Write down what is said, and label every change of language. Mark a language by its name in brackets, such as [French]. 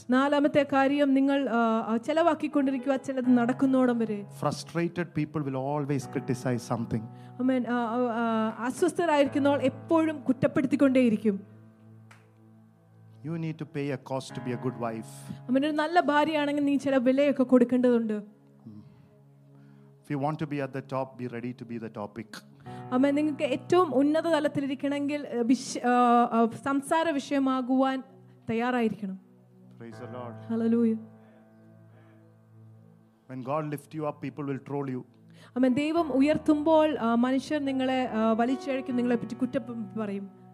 [Malayalam] നാലാമത്തെ കാര്യം നിങ്ങൾ ചിലവാക്കി കൊണ്ടിരിക്കുക ചിലത് നടക്കുന്നോടും വരെ [English] frustrated people will always criticize something [Malayalam] amen അസ്വസ്ഥരായിരിക്കുന്നവർ എപ്പോഴും കുറ്റപ്പെടുത്തിക്കൊണ്ടേയിരിക്കും [English] you need to pay a cost to be a good wife [Malayalam] amen ഒരു നല്ല ഭാര്യയാണെങ്കിൽ നീ ചില വിലയൊക്കെ കൊടുക്കേണ്ടതുണ്ട് [English] if you want to be at the top be ready to be the topic [Malayalam] അമ്മ നിങ്ങൾക്ക് ഏറ്റവും ഉന്നത തലത്തിലിരിക്കണമെങ്കിൽ സംസാര വിഷയമാകുവാൻ തയ്യാറായിരിക്കണം [English] praise the lord [Malayalam] hallelujah [English] When God lift you up people will troll you [Malayalam] അമ്മ ദൈവം ഉയർത്തുമ്പോൾ മനുഷ്യർ നിങ്ങളെ വലിച്ചിഴക്കും നിങ്ങളെ പറ്റി കുറ്റം പറയും